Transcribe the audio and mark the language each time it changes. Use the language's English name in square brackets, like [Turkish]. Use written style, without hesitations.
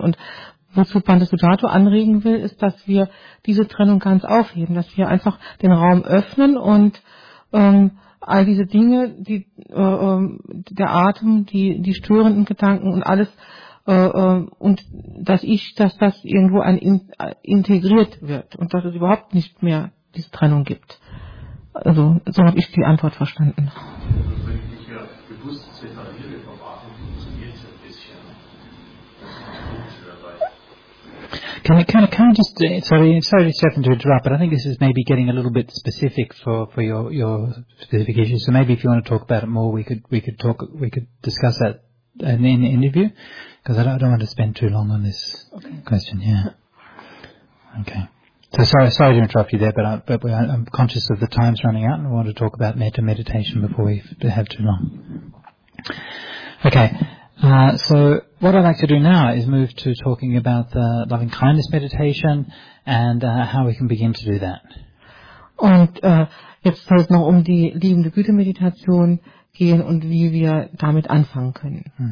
[German] Und wozu Bandhisattva anregen will, ist, dass wir diese Trennung ganz aufheben, dass wir einfach den Raum öffnen und all diese Dinge, die der Atem, die störenden Gedanken und alles, und dass das irgendwo ein integriert wird und dass es überhaupt nicht mehr diese Trennung gibt. Also so habe ich die Antwort verstanden. Also wenn ich mich ja bewusst separiere vom Atem, funktioniert es ein bisschen. Das ist komisch, weil [English] Can I just sorry Stefan, to interrupt, but I think this is maybe getting a little bit specific for your specific issues. So maybe if you want to talk about it more, we could discuss that in the interview, because I don't want to spend too long on this question. Yeah. Okay. So sorry to interrupt you there, but I'm conscious of the time's running out, and I want to talk about metta meditation before we have too long. Okay. So what I'd like to do now is move to talking about the loving kindness meditation and how we can begin to do that. [German] Und jetzt soll es noch um die liebende Güte Meditation gehen und wie wir damit anfangen können.